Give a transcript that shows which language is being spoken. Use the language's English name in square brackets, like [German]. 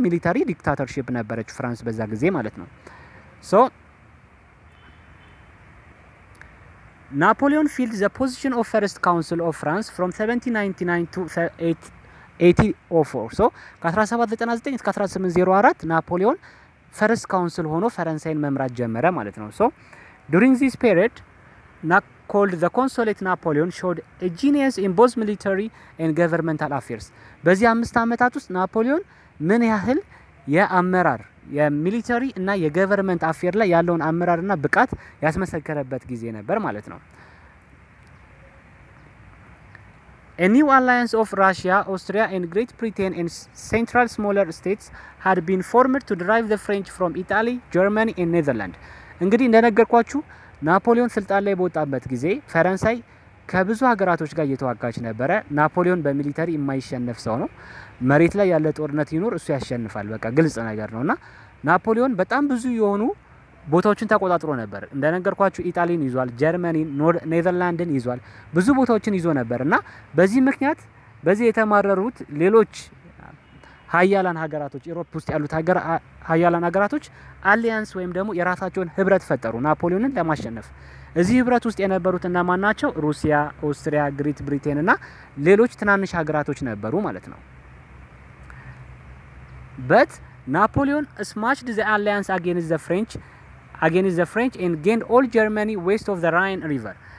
[Amharic] ሚሊታሪ ዲክታተርሺፕ ነበረች ፍራንስ በዛ ጊዜ ማለት ነው። [English] ሶ ናፖሊዮን ፊልድ ዘ ፖዚሽን ኦፍ ፈርስት ካውንስል ኦፍ ፍራንስ ፍሮም 1799 to 1804። [Amharic] ሶ ከ1799 እስከ 1804 ናፖሊዮን ፈርስት ካውንስል ሆኖ ፈረንሳይን መምራት ጀመረ ማለት ነው። [English] ሶ ዱሪንግ ዚስ ፔሪድ called the consulate Napoleon showed a genius in both military and governmental affairs. [Amharic] በዚ አምስት አመታት ውስጥ ናፖሊዮን ምን ያህል የአመራር የሚሊተሪ እና የገቨርንመንት አፌር ላይ ያለውን አመራርና ብቃት ያስመሰከረበት ጊዜ ነበር ማለት ነው። [English] A new alliance of Russia, Austria and Great Britain and central smaller states had been formed to drive the French from Italy, Germany and Netherlands. [Amharic] እንግዲህ እንደነገርኳችሁ ናፖሊዮን ስልጣን ላይ በወጣበት ጊዜ ፈረንሳይ ከብዙ ሀገራቶች ጋር እየተዋጋች ነበረ። ናፖሊዮን በሚሊተሪ የማይሸነፍ ሰው ነው። መሬት ላይ ያለ ጦርነት ይኖር እሱ ያሸንፋል፣ በቃ ግልጽ ነገር ነውና ናፖሊዮን በጣም ብዙ የሆኑ ቦታዎችን ተቆጣጥሮ ነበር። እንደነገርኳችሁ ኢጣሊያን ይዟል፣ ጀርመኒን፣ ኔዘርላንድን ይዟል። ብዙ ቦታዎችን ይዞ ነበርና በዚህ ምክንያት በዚህ የተማረሩት ሌሎች ሃያላን ሀገራቶች ዩሮፕ ውስጥ ያሉት ሃያላን ሀገራቶች አሊያንስ ወይም ደግሞ የራሳቸውን ህብረት ፈጠሩ ናፖሊዮንን ለማሸነፍ። እዚህ ህብረት ውስጥ የነበሩት እነማን ናቸው? ሩሲያ፣ ኦስትሪያ፣ ግሪት ብሪቴን እና ሌሎች ትናንሽ ሀገራቶች ነበሩ ማለት ነው። [English] But Napoleon smashed the alliance against the French, and gained all Germany west of the Rhine River.